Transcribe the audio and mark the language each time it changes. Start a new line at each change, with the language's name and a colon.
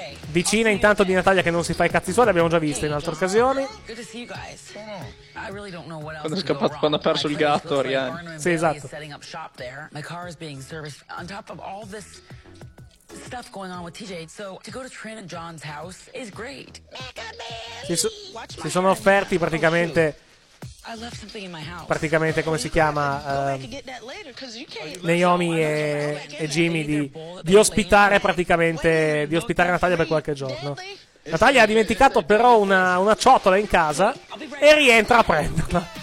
Italian: Vicina intanto di Natalia che non si fa i cazzi suoi, l'abbiamo già visto in altre occasioni. Quando è scappato, quando ha perso il gatto, Ariane. Sì, esatto.
English: My car is being serviced on top of all this stuff going on with TJ, so to go to Trin and John's house is great.
Italian: Si sono offerti praticamente.
English: I left something in my house.
Italian: Praticamente, come si chiama, Naomi e Jimmy di ospitare Natalia per qualche giorno. Natalia ha dimenticato però una ciotola in casa e rientra a prenderla.